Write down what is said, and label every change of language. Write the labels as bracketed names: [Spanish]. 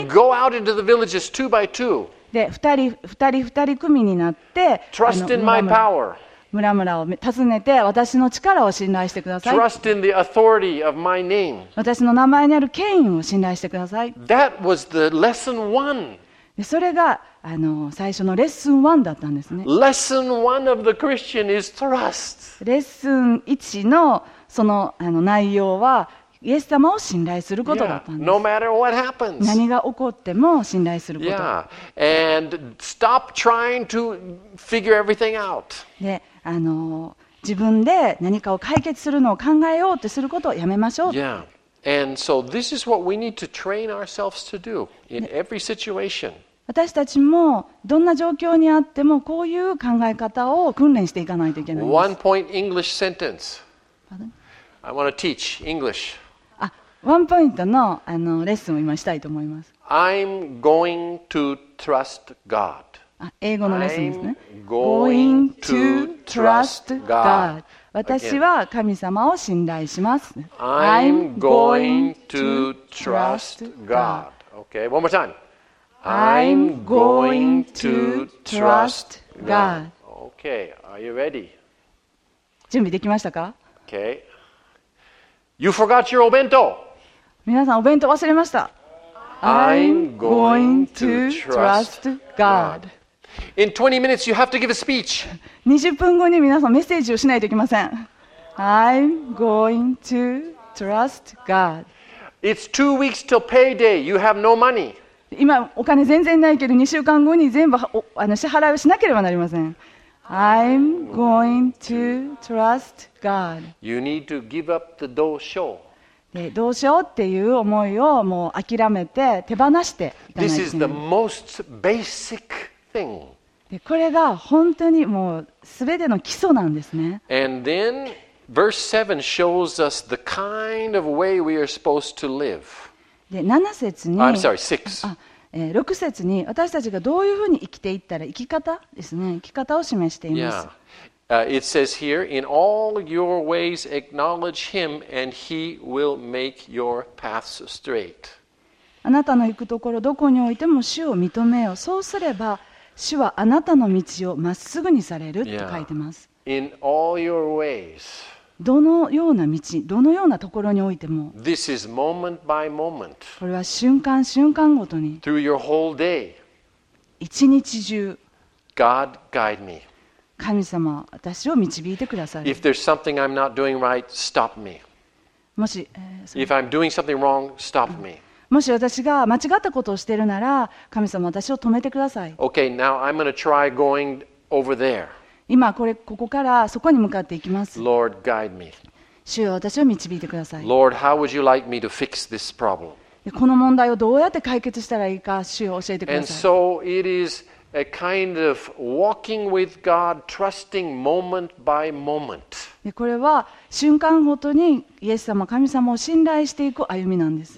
[English] And go out into the villages two by two. [Japanese] で、二人組になって。 [English] Trust in my power. [Japanese] 村々を訪ねて私の力を信頼してください。 [English] Trust in the authority of my name. [Japanese] 私の名前にある権威を信頼してください。 [English] That was the lesson one. [Japanese] で、それが最初のレッスン1だったんですね。 [English] Lesson one of the Christian is trust. [Japanese] レッスン1のその内容はイエス様を信頼することだったんです。 [English] No matter what happens. [Japanese] 何が起こっても信頼すること。 [English] Yeah. And stop trying to figure everything out. [Japanese] で、自分で何かを解決するのを考えようってすることをやめましょう。 [English] Yeah. And so this is what we need to train ourselves to do in every situation. [Japanese] 私たちもどんな状況にあってもこういう考え方を訓練していかないといけないんです。 [English] One point English sentence. I want to teach English. [Japanese] ワンポイントの、レッスンを今したいと思います。 [English] I'm going to trust God. [Japanese] 英語のレッスンですね。 [English] Going to trust God. [Japanese] 私は神様を信頼します。 [English] I'm going to trust God. Okay, one more time. I'm going to trust God. Okay, are you ready? [Japanese] 準備できましたか？ [English] Okay. You forgot your お弁当。 [Japanese] 皆さんお弁当忘れました。 [English] I'm going to trust God. In 20 minutes, you have to give a speech. [Japanese] 20分後に皆さんメッセージをしないといけません。 [English] I'm going to trust God. It's 2 weeks till payday. You have no money. [Japanese] 今お金全然ないけど2週間後に全部支払いをしなければなりません。 [English] I'm going to trust God. You need to give up the [Japanese] どうしよう。で、どうしようっていう思いをもう諦めて手放していかないといけない。 [English] This is the most basic thing. [Japanese] で、これが本当にもう全ての基礎なんですね。 [English] And then verse 7 shows us the kind of way we are supposed to live. [Japanese] で7節に、 [English] I'm sorry, 6. [Japanese] 6節に私たちがどういうふうに生きていったら生き方ですね、生き方を示しています。 [English] Yeah. It says here, in all your ways acknowledge him and he will make your paths straight. [Japanese] あなたの行くところどこにおいても主を認めよ。そうすれば主はあなたの道をまっすぐにされると書いてます。 [English] Yeah. In all your ways. [Japanese] どのような道、どのようなところにおいても。 [English] This is moment by moment. [Japanese] これは瞬間瞬間ごとに。 [English] Through your whole day. [Japanese] 一日中。 [English] God guide me. [Japanese] 神様、私を導いてください。 [English] If there's something I'm not doing right, stop me. [Japanese] もし、 [English] If I'm doing something wrong, stop me. [Japanese] もし私が間違ったことをしているなら、神様、私を止めてください。 [English] Okay, now I'm going to try going over there. [Japanese] 今これここからそこに向かっていきます。 [English] Lord, guide me. [Japanese] 主よ、私を導いてください。 [English] Lord, how would you like me to fix this problem? [Japanese] この問題をどうやって解決したらいいか、主よ、教えてください。 [English] And so it is a kind of walking with God, trusting moment by moment. [Japanese] これは瞬間ごとにイエス様、神様を信頼していく歩みなんです。